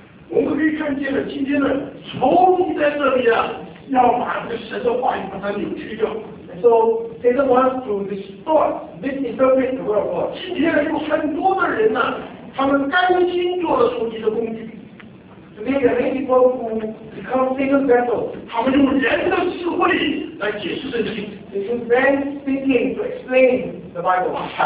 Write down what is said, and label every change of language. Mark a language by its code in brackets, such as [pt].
[zh] 我们可以看见了，今天呢，仇敌在这里啊，要把这神的话语把它扭曲掉。 [en] So Satan wants to distort, misinterpret the word of God. [zh] 今天有很多的人呢，他们甘心做了仇敌的工具。 [en] Today there are many people who become Satan's vessel. [zh] 他们用人的智慧来解释圣经。 [en] They use man's thinking to explain the Bible.